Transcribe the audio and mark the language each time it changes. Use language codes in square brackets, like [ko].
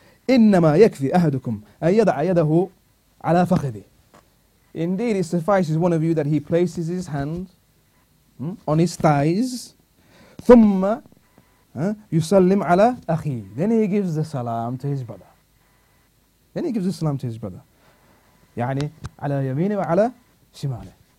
[ar] إنما يكفي أحدكم أن يضع يده على فخذه. [en] Indeed, it suffices one of you that he places his hand on his thighs. [ar] ثم يسلم على أخي. [en] Then he gives the salam to his brother. Then he gives the salam to his brother. [ar] يعني على يمينه وعلى شماله.